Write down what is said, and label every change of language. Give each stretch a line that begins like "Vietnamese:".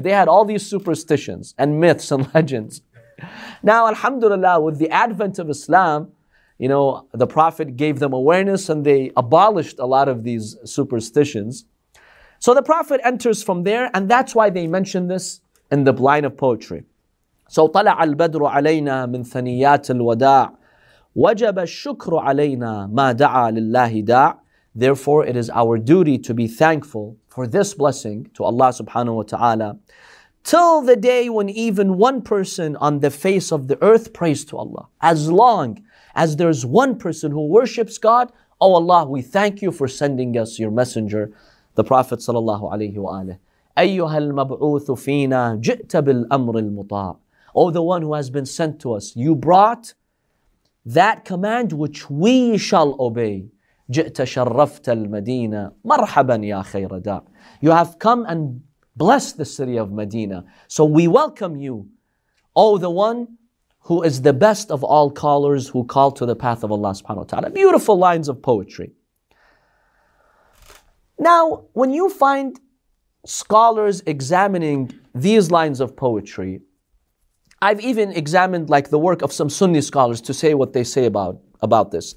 English: They had all these superstitions and myths and legends. Now, alhamdulillah, with the advent of Islam, you know, the Prophet gave them awareness and they abolished a lot of these superstitions. So the Prophet enters from there, and that's why they mention this in the line of poetry. So,
Arabic: طلع البدر علينا من ثنيات الوداع وجب الشكر علينا ما دعا لله داع.
English: Therefore, it is our duty to be thankful for this blessing to Allah subhanahu wa ta'ala till the day when even one person on the face of the earth prays to Allah. As long as there's one person who worships God, O Allah, we thank you for sending us your messenger, the Prophet sallallahu alayhi wa alayhi.
Arabic: أَيُّهَا الْمَبْعُوثُ فِينَا جِئْتَ بِالْأَمْرِ الْمُطَاعِ.
English: O the one who has been sent to us, you brought that command which we shall obey.
Arabic: جئت شرفت المدينة مرحبا يا خير داع.
English: You have come and blessed the city of Medina. So we welcome you, O the one who is the best of all callers who call to the path of Allah subhanahu wa ta'ala. Beautiful lines of poetry. Now, when you find scholars examining these lines of poetry, I've even examined like the work of some Sunni scholars to say what they say about this.